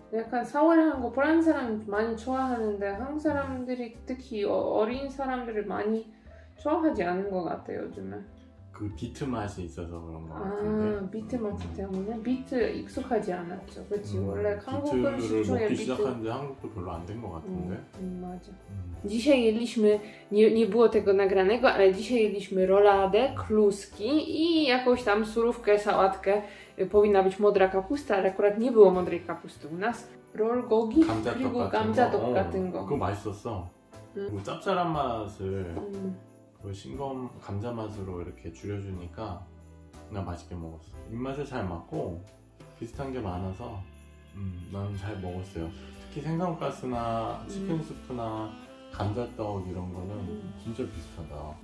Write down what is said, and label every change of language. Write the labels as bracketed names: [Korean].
[Korean] 약간 사우란 거 프랑스 사람 많이 좋아하는데 한국 사람들이 특히 어린 사람들을 많이 좋아하지 않은 것 같아요 요즘에. 그 비트 맛이 있어서 그런 것 같은데. 아, 비트 맛 때문에? 비트 익숙하지 않았죠. 그치? 원래 한국 음식 중에 비트를 먹기 시작하는데 한국도 별로 안 된 것 같은데? 맞아. [Polish] Dzisiaj jedliśmy, nie było tego nagranego, ale dzisiaj jedliśmy roladę, kluski i jakąś tam surówkę, sałatkę. Powinna być modra kapusta, ale akurat nie było modrej kapusty u nas. Rol gogi, kamdzatok kamdzatok katyngo. [Korean] 그거 맛있었어. 그리고 짭짤한 맛을 그 싱거운 감자 맛으로 이렇게 줄여주니까 나 맛있게 먹었어. 입맛에 잘 맞고 비슷한 게 많아서 나는 잘 먹었어요. 특히 생선가스나 치킨스프나 감자떡 이런 거는 진짜 비슷하다.